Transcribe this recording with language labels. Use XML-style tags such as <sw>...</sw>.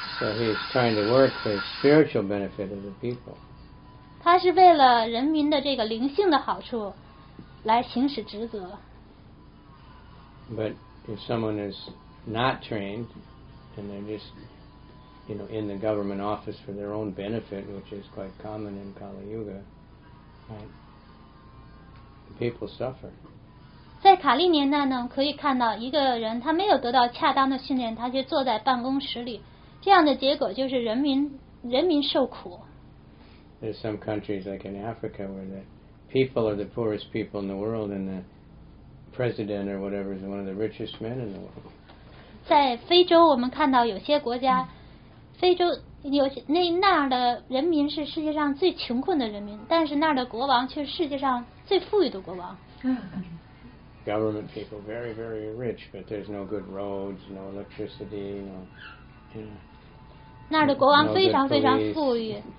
<en>So he's trying to work for the spiritual benefit of the people.</en> <zh>他是为了人民的这个灵性的好处来行使职责。</zh> <en>But if someone is not trained and they're just you know, in the government office for their own benefit, which is quite common in Kali Yuga, right? People suffer.</en> <zh>在卡利年代呢，可以看到一个人他没有得到恰当的训练，他就坐在办公室里，这样的结果就是人民受苦。</zh> <en>There's some countries like in Africa where the people are the poorest people in the world, and the president or whatever is one of the richest men in the world.</en> <zh>在非洲，我们看到有些国家，非洲有些那儿的人民是世界上最穷困的人民，但是那儿的国王却是世界上最富裕的国王。</zh> <en>Government people very very rich, but there's no good roads, no electricity, no. You know,</en> <zh>那儿的国王非常非常富裕。</zh>